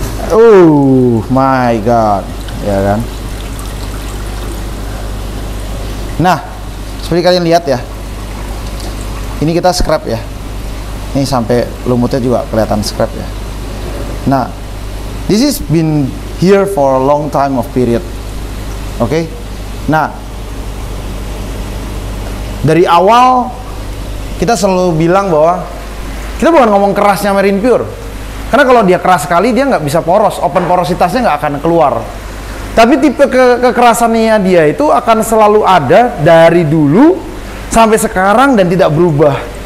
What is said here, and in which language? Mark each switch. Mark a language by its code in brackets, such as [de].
[en] Oh my god. [id] Ya kan? Nah, seperti kalian lihat ya, ini kita scrap ya, ini sampai lumutnya juga kelihatan scrap ya. Nah, [en] this is been here for a long time of period, oke? Okay? [id] Nah, dari awal kita selalu bilang bahwa kita bukan ngomong kerasnya Marine Pure, karena kalau dia keras sekali dia nggak bisa poros, open porositasnya nggak akan keluar. Tapi tipe kekerasannya dia itu akan selalu ada dari dulu sampai sekarang dan tidak berubah.